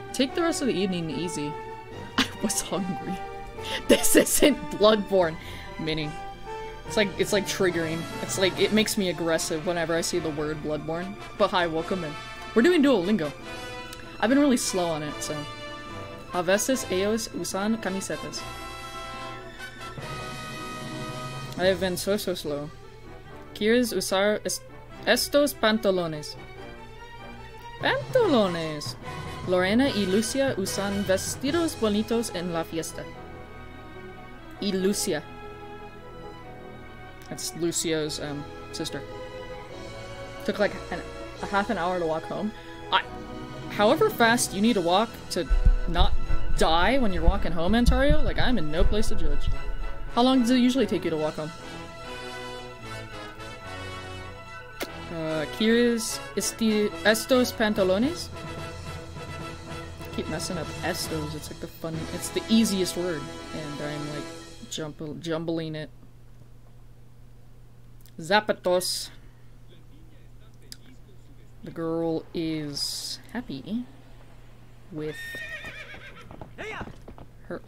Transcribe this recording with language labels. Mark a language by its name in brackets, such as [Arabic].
[English] Take the rest of the evening easy. I was hungry. This isn't Bloodborne. Mini. It's like triggering. It's like, it makes me aggressive whenever I see the word Bloodborne. But hi, welcome in. We're doing Duolingo. I've been really slow on it, so. [Spanish] A veces ellos usan camisetas. [English] I have been so slow. [Spanish] ¿Quieres usar estos pantalones? ¡Pantalones! Lorena y Lucia usan vestidos bonitos en la fiesta. Y Lucia. [English] That's Lucia's sister. Took like a half an hour to walk home. However fast you need to walk to not die when you're walking home, Antario, like I'm in no place to judge. How long does it usually take you to walk home? [Spanish] ¿Quieres estos pantalones? [English] I keep messing up estos. It's like the fun. It's the easiest word, and I'm like jumbling it. [Spanish] Zapatos. [English] The girl is happy with her.